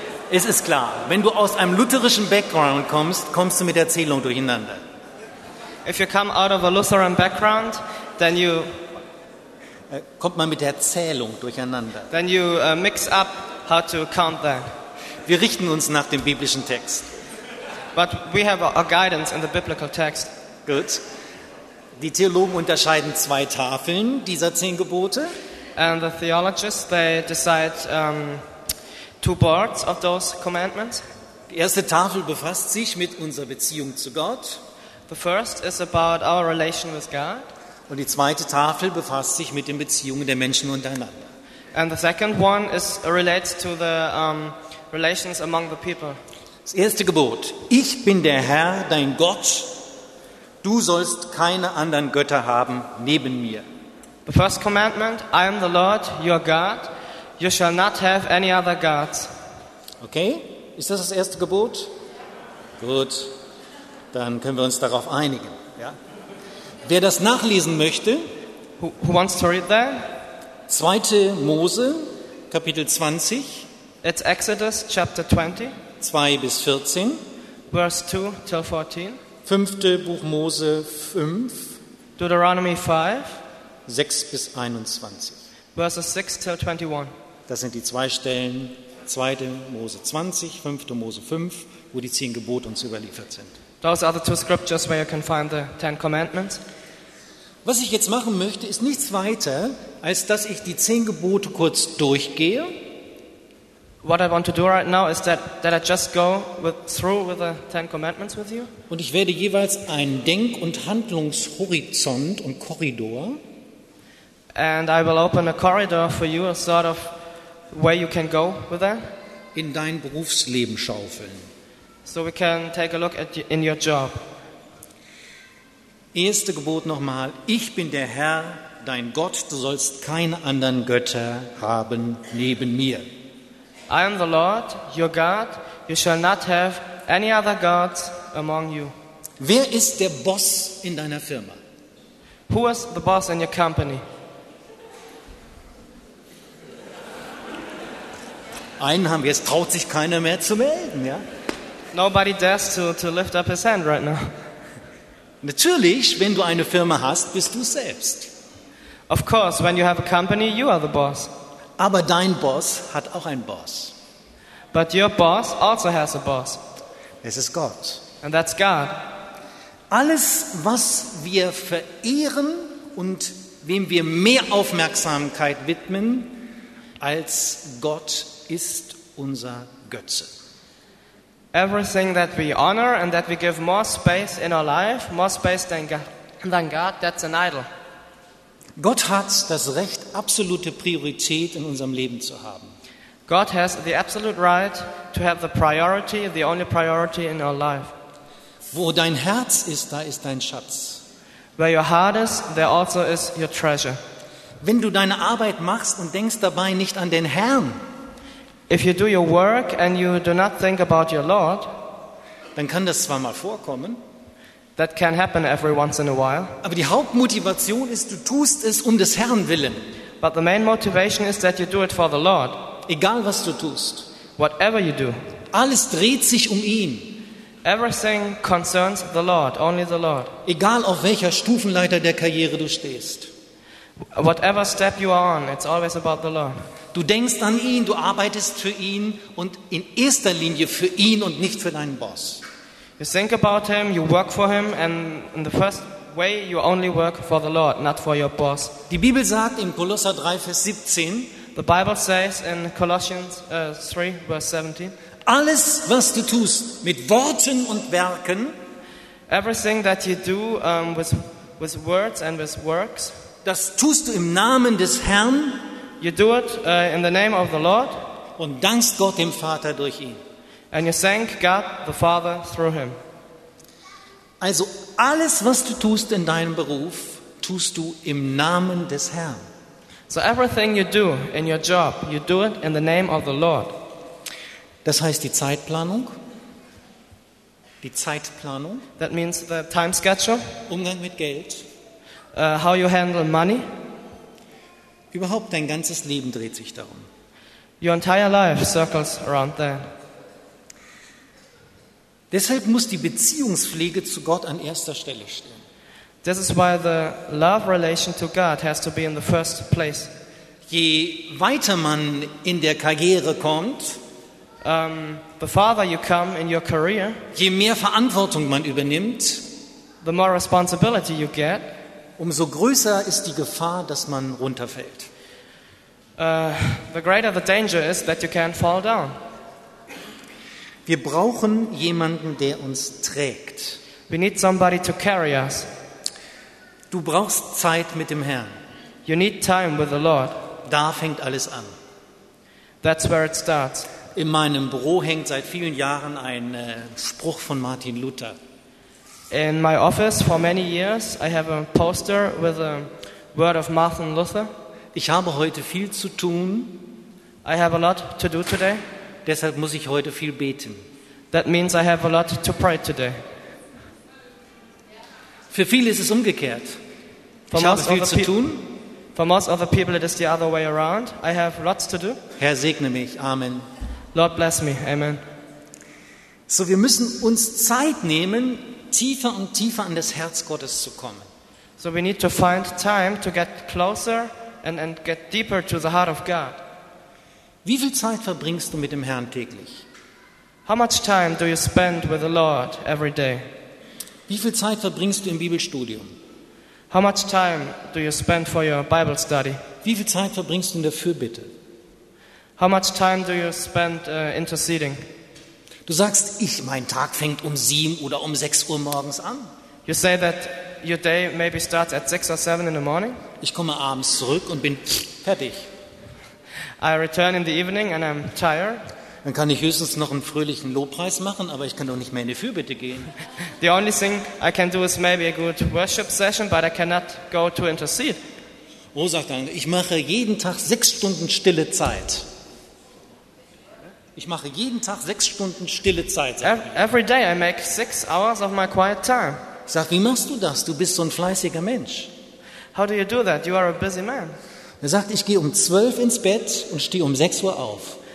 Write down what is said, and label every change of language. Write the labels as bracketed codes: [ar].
[de] Es ist klar, wenn du aus einem lutherischen Background kommst, kommst du mit der Zählung durcheinander. [en] If you come out of a Lutheran background, then you [de] kommt man mit der Zählung durcheinander. [en] Then you mix up how to count that. [de] Wir richten uns nach dem biblischen Text. [en] But we have a guidance in the biblical text. Good. [de] Die Theologen unterscheiden zwei Tafeln dieser zehn Gebote. [en] And the theologists, they decide two parts of those commandments. [de] Die erste Tafel befasst sich mit unserer Beziehung zu Gott. [en] The first is about our relation with God. [de] Und die zweite Tafel befasst sich mit den Beziehungen der Menschen untereinander. [en] And the second one is relates to the relations among the people. [de] Das erste Gebot: Ich bin der Herr, dein Gott. Du sollst keine anderen Götter haben neben mir. [en] The first commandment: I am the Lord, your God. You shall not have any other gods. [de] Okay? Ist das das erste Gebot? Gut. Dann können wir uns darauf einigen, ja? Wer das nachlesen möchte, [en] who wants to read that? [de] 2. Mose, Kapitel 20. [en] It's Exodus chapter 20. [de] 2 bis 14. [en] Verse 2 till 14. [de] 5. Buch Mose 5. [en] Deuteronomy 5. [de] 6 bis 21. [en] Verses 6 till 21. [de] Das sind die zwei Stellen, 2. Mose 20, 5. Mose 5, wo die 10 Gebote uns überliefert sind. [en] Those are the two scriptures where you can find the 10 commandments. [de] Was ich jetzt machen möchte, ist nichts weiter, als dass ich die 10 Gebote kurz durchgehe. [en] What I want to do right now is that I just go through with the 10 commandments with you. [de] Und ich werde jeweils einen Denk- und Handlungshorizont und Korridor. [en] And I will open a corridor for you, a sort of where you can go with that. [de] In dein Berufsleben schaufeln. [en] So we can take a look at in your job. [de] Erste Gebot nochmal: Ich bin der Herr, dein Gott. Du sollst keine anderen Götter haben neben mir. [en] I am the Lord, your God. You shall not have any other gods among you. [de] Wer ist der Boss in deiner Firma? [en] Who is the boss in your company? [de] Einen haben jetzt traut sich keiner mehr zu melden, ja? [en] Nobody dares to lift up his hand right now. [de] Natürlich, wenn du eine Firma hast, bist du selbst. [en] Of course, when you have a company, you are the boss. [de] Aber dein Boss hat auch einen Boss. [en] But your boss also has a boss. [de] Es ist Gott. [en] And that's God. [de] Alles, was wir verehren und wem wir mehr Aufmerksamkeit widmen als Gott, ist unser Götze. [en] Everything that we honor and that we give more space in our life, more space than God, that's an idol. [de] Gott hat das Recht, absolute Priorität in unserem Leben zu haben. [en] God has the absolute right to have the priority, the only priority in our life. [de] Wo dein Herz ist, da ist dein Schatz. [en] Where your heart is, there also is your treasure. [de] Wenn du deine Arbeit machst und denkst dabei nicht an den Herrn, [en] if you do your work and you do not think about your Lord, [de] dann kann das zwar mal vorkommen, [en] that can happen every once in a while. [de] Aber die Hauptmotivation ist, du tust es um des Herrn willen. [en] But the main motivation is that you do it for the Lord. [de] Egal was du tust. [en] Whatever you do. [de] Alles dreht sich um ihn. [en] Everything concerns the Lord, only the Lord. [de] Egal auf welcher Stufenleiter der Karriere du stehst. [en] Whatever step you are on, it's always about the Lord. [de] Du denkst an ihn, du arbeitest für ihn und in erster Linie für ihn und nicht für deinen Boss. [en] You think about him, you work for him, and in the first way you only work for the Lord, not for your boss. [de] Die Bibel sagt in Kolosser 3, Vers 17, [en] the Bible says in Colossians 3, verse 17, [de] alles, was du tust, mit Worten und Werken, [en] everything that you do with words and with works, [de] das tust du im Namen des Herrn, [en] you do it in the name of the Lord, [de] und dankst Gott dem Vater durch ihn. [en] And you thank God the Father through him. [de] Also alles, was du tust in deinem Beruf, tust du im Namen des Herrn. [en] So everything you do in your job, you do it in the name of the Lord. [de] Das heißt die Zeitplanung. Die Zeitplanung. [en] That means the time schedule. [de] Umgang mit Geld. [en] How you handle money. [de] Überhaupt dein ganzes Leben dreht sich darum. [en] Your entire life circles around that. [de] Deshalb muss die Beziehungspflege zu Gott an erster Stelle stehen. [en] This is why the love relation to God has to be in the first place. [de] Je weiter man in der Karriere kommt, [en] the farther you come in your career, [de] je mehr Verantwortung man übernimmt, [en] the more responsibility you get, [de] umso größer ist die Gefahr, dass man runterfällt. [en] The greater the danger is that you can fall down. [de] Wir brauchen jemanden, der uns trägt. [en] We need somebody to carry us. [de] Du brauchst Zeit mit dem Herrn. [en] You need time with the Lord. [de] Da fängt alles an. [en] That's where it starts. [de] In meinem Büro hängt seit vielen Jahren ein Spruch von Martin Luther. [en] In my office for many years I have a poster with a word of Martin Luther. [de] Ich habe heute viel zu tun. [en] I have a lot to do today. [de] Deshalb muss ich heute viel beten. [en] That means I have a lot to pray today. [de] Für viele ist es umgekehrt. [en] For [de] ich habe viel zu tun. [en] For most other people it is the other way around. I have lots to do. [de] Herr segne mich. Amen. [en] Lord bless me. Amen. [de] So, wir müssen uns Zeit nehmen, tiefer und tiefer an das Herz Gottes zu kommen. [en] So we need to find time to get closer and get deeper to the heart of God. [de] Wie viel Zeit verbringst du mit dem Herrn täglich? [en] How much time do you spend with the Lord every day? [de] Wie viel Zeit verbringst du im Bibelstudium? [en] How much time do you spend for your Bible study? [de] Wie viel Zeit verbringst du in der Fürbitte? [en] How much time do you spend interceding? [de] Du sagst, mein Tag fängt 7 oder 6 Uhr morgens an. [en] You say that your day maybe starts at 6 or 7 in the morning. [de] Ich komme abends zurück und bin fertig. [en] I return in the evening and I'm tired. [de] Dann kann ich höchstens noch einen fröhlichen Lobpreis machen, aber ich kann doch nicht mehr in die Fürbitte gehen. [en] The only thing I can do is maybe a good worship session, but I cannot go to intercede. [de] Oh, sagt dann, ich mache jeden Tag 6 Stunden stille Zeit. Ich mache jeden Tag 6 Stunden stille Zeit. [en] Every day I make 6 hours of my quiet time. [de] Ich sage, wie machst du das? Du bist so ein fleißiger Mensch. [en] How do you do that? You are a busy man. [de] Er sagt, ich gehe 12 ins Bett und stehe 6 Uhr auf.